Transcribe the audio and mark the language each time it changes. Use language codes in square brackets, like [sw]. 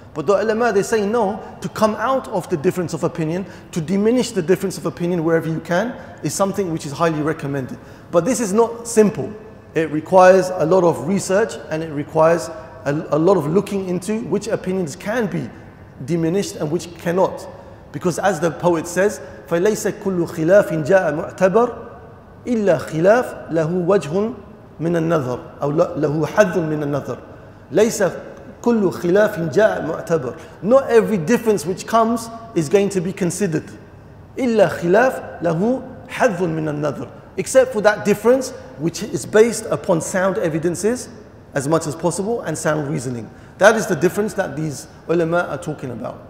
[en] But the ulama, they say no, to come out of the difference of opinion, to diminish the difference of opinion wherever you can, is something which is highly recommended. But this is not simple. It requires a lot of research and it requires a lot of looking into which opinions can be diminished and which cannot. [ar] Because as the poet says, فَلَيْسَ كُلُّ خِلَافٍ جَاءَ مُعْتَبَرٍ إِلَّا خِلَافٍ لَهُ وَجْهٌ مِنَ النَّظَرِ أَوْ لَهُ حَذٌ مِنَ النَّظَرِ لَيْسَ كُلُّ خِلَافٍ جَاءَ مُعْتَبَرٍ. [en] Not every difference which comes is going to be considered. [ar] إِلَّا خِلَافٍ لَهُ حَذٌ مِنَ النَّظَرِ. [en] Except for that difference which is based upon sound evidences as much as possible and sound reasoning. That is the difference that these ulama are talking about.